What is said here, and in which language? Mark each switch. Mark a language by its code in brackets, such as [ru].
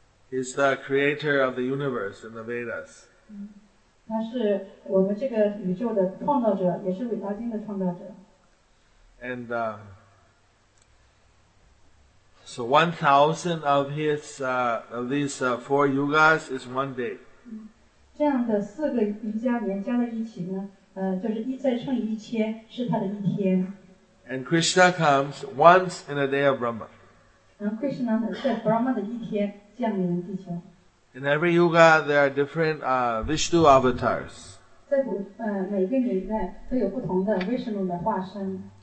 [en] He's the creator of the universe in the Vedas. And so 1,000 of his of these four yugas is one day. [zh] 这样的四个瑜伽连加在一起呢，就是一再乘以一千，是他的一天。 [en] And Krishna comes once in a day of Brahma. [zh] And Krishna 在 Brahma 的一天降临地球。 [en] In every yuga, there are different Vishnu avatars. [zh] 在每个年代都有不同的 Vishnu 的化身。